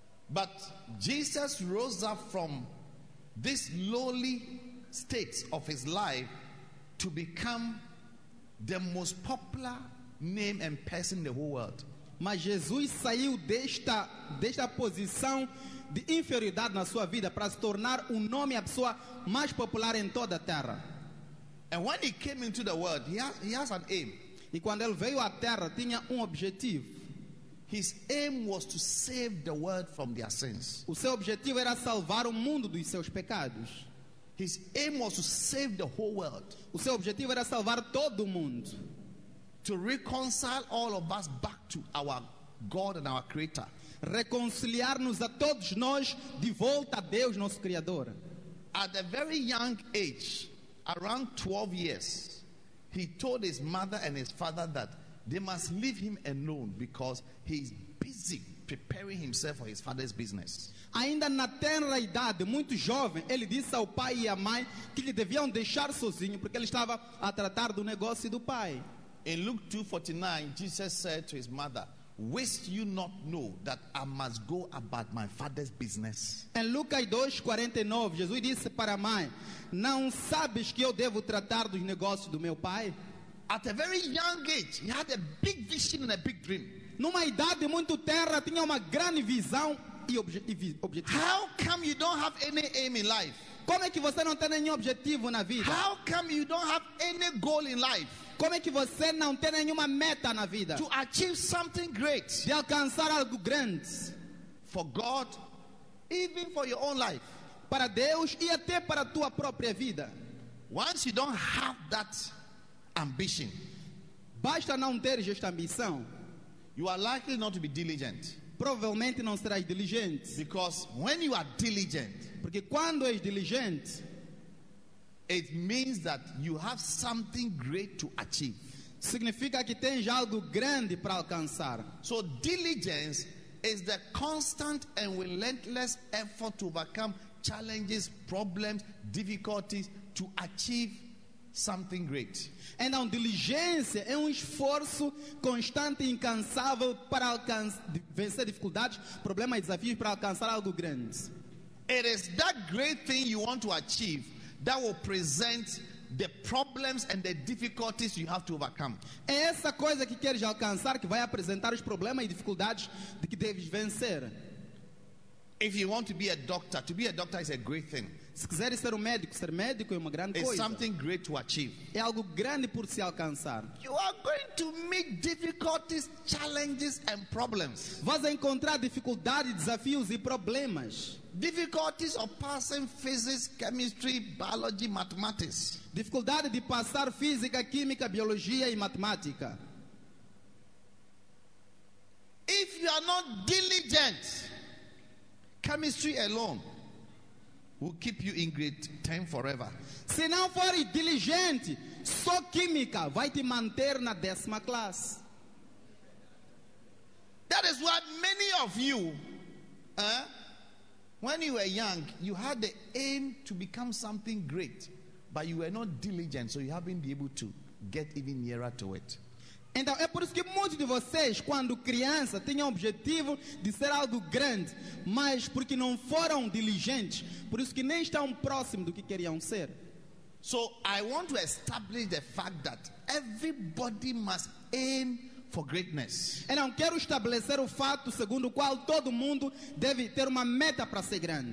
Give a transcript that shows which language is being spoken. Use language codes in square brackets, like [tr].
[en] But Jesus rose up from this lowly state of his life to become the most popular name and person in the whole world. [pt] Mas Jesus saiu desta posição de inferioridade na sua vida para se tornar nome, a pessoa mais popular em toda a terra. [en] And when he came into the world, he has an aim. [pt] E quando ele veio à terra, tinha objetivo. [en] His aim was to save the world from their sins. [pt] O seu objetivo era salvar o mundo dos seus pecados. [en] His aim was to save the whole world. [pt] O seu objetivo era salvar todo o mundo. [en] To reconcile all of us back to our God and our Creator. [pt] Reconciliar-nos a todos nós de volta a Deus, nosso Criador. [en] At a very young age, around 12 years, he told his mother and his father that they must leave him alone because he is busy preparing himself for his father's business. [pt] Ainda na tenra idade, muito jovem, ele disse ao pai e à mãe que lhe deviam deixar sozinho porque ele estava a tratar do negócio do pai. [en] In Luke 2:49, Jesus said to his mother, "Wist you not know that I must go about my father's business?" [pt] Em Lucas 2:49, Jesus disse para a mãe, "Não sabes que eu devo tratar dos negócios do meu pai?" [en] At a very young age, he had a big vision and a big dream. [pt] Numa idade muito tenra, tinha uma grande visão e objetivo. [en] How come you don't have any aim in life? [pt] Como é que você não tem nenhum objetivo na vida? [en] How come you don't have any goal in life? [pt] Como é que você não tem nenhuma meta na vida? [en] To achieve something great. [pt] De alcançar algo grande. [en] For God, even for your own life. [pt] Para Deus e até para a tua própria vida. [en] Once you don't have that ambition, [pt] basta não ter esta ambição, [en] you are likely not to be diligent. [pt] Provavelmente não serás diligente. [en] Because when you are diligent, [pt] porque quando és diligente, [en] it means that you have something great to achieve. [pt] Significa que tens algo grande para alcançar. [en] So diligence is the constant and relentless effort to overcome challenges, problems, difficulties to achieve something great. [pt] Então, diligência é esforço constante e incansável para vencer dificuldades, problemas e desafios para alcançar algo grande. [en] It is that great thing you want to achieve that will present the problems and the difficulties you have to overcome. [pt] É essa coisa que queres alcançar que vai apresentar os problemas e dificuldades de que deves vencer. [en] If you want to be a doctor is a great thing. [pt] Se quiseres ser médico é uma grande [en] it's [pt] coisa. [en] Something great to achieve. [pt] É algo grande por se alcançar. [en] You are going to meet difficulties, challenges and problems. [pt] Vais encontrar dificuldades, desafios e problemas. [en] Difficulties of passing physics, chemistry, biology, mathematics. [pt] Dificuldade de passar física, química, biologia e matemática. [en] If you are not diligent, chemistry alone will keep you in grade 10 forever. [pt] Se não for diligente, só química vai te manter na décima classe. [en] That is why many of you, When you were young, you had the aim to become something great, but you were not diligent, so you haven't been able to get even nearer to it. [pt] Então é por isso que muitos de vocês, quando criança, tinham o objetivo de ser algo grande, mas porque não foram diligentes, por isso que nem estão próximos do que queriam ser. [en] So I want to establish the fact that everybody must aim for greatness. [pt] Então quero estabelecer o fato segundo o qual todo mundo deve ter uma meta para ser grande.